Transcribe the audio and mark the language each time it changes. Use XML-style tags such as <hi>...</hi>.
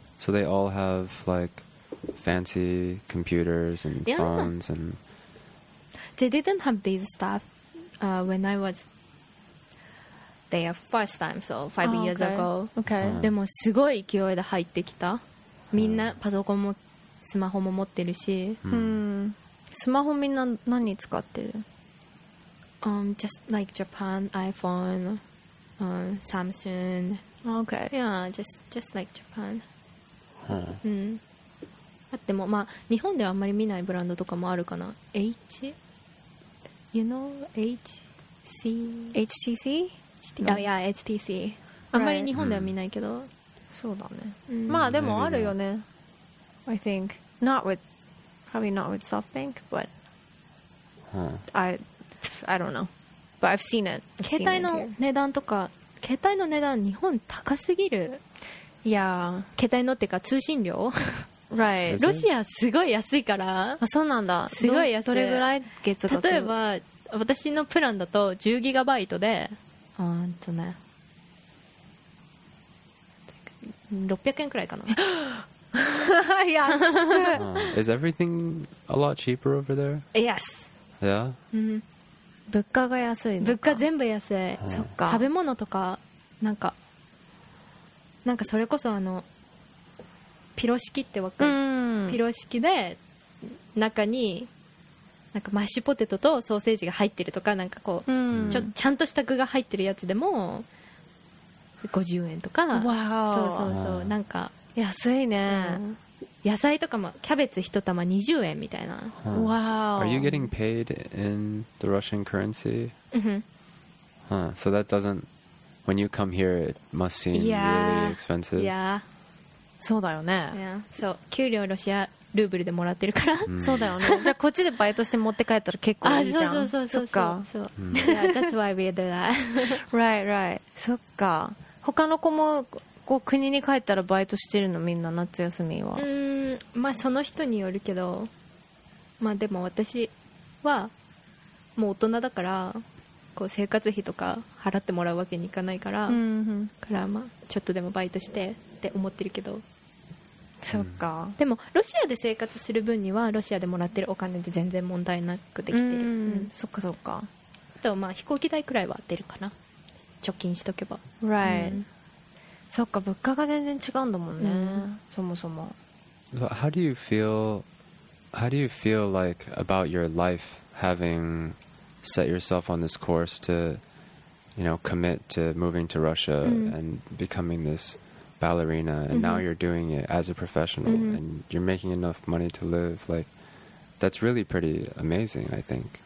<en>So they all have like fancy computers and phones and. They didn't have these stuff when I was birthday, first time, so five years ago. Okay.</en> <ja>でもすごい勢いで入ってきた。みんなパソコンもスマホも持ってるし。スマホみんな何使ってる？</ja> <en>Just like Japan, iPhone, Samsung. Okay. Yeah, just like Japan.</en> <ja>あってもまあ日本ではあんまり見ないブランドとかもあるかな。</ja> <en>H? You know HC? HTC? Oh yeah, HTC.</en> <ja>あんまり日本では見ないけど。そうだね。まあでもあるよね。</ja> <en>I think not with probably not with SoftBank, but I don't know. But I've seen it.</en> <ja>携帯の値段とか携帯の値段日本高すぎる。いや、携帯のってか通信料。</ja> <en>Right.</en> <ja>ロシアすごい安いから。あ、そうなんだ。すごい安い。どれぐらい月額？例えば私のプランだと10ギガバイトで、ね、 600円くらいかな。いや、</ja> <en>Is everything a lot cheaper over there? Yes. Yeah.</en> <ja>物価が安い。物価全部安い。そっか。食べ物とかなんかそれこそピロシキってわかる、ピロシキで中になんかマッシュポテトとソーセージが入ってるとか、なんかこう、ちゃんとした具が入ってるやつでも50円とか。わあ、そうそうそう、なんか安いね、野菜とかもキャベツ一玉20円みたいな。わあ、</ja> <en>Are you getting paid in the Russian currency? So that doesn't when you come here it must seem really expensive. Yeah.</en> <ja>そうだよね。</ja> <en>Yeah.</en> <ja>そう、給料ロシアルーブルでもらってるから。そうだよね。じゃあこっちでバイトして持って帰ったら結構いいじゃん。あ、そうそう。</ja> <en>Yeah, that's why we do that. Right, right.</en> <ja>そっか。他の子もこう国に帰ったらバイトしてるの、みんな夏休みは。まあその人によるけど、まあでも私はもう大人だから、こう生活費とか払ってもらうわけにいかないから、からまあちょっとでもバイトして。って思ってるけど、そうか。でもロシアで生活する分にはロシアでもらってるお金で全然問題なくできてる。そっかそっか。あとまあ飛行機代くらいは出るかな。貯金しとけば。</ja> <en>Right.</en> <ja>そっか、物価が全然違うんだもんね。そもそも。</ja> <en>How do you feel like about your life having set yourself on this course to, you know, commit to moving to Russia and becoming this ballerina and now you're doing it as a professional and you're making enough money to live, like that's really pretty amazing, I think.</en>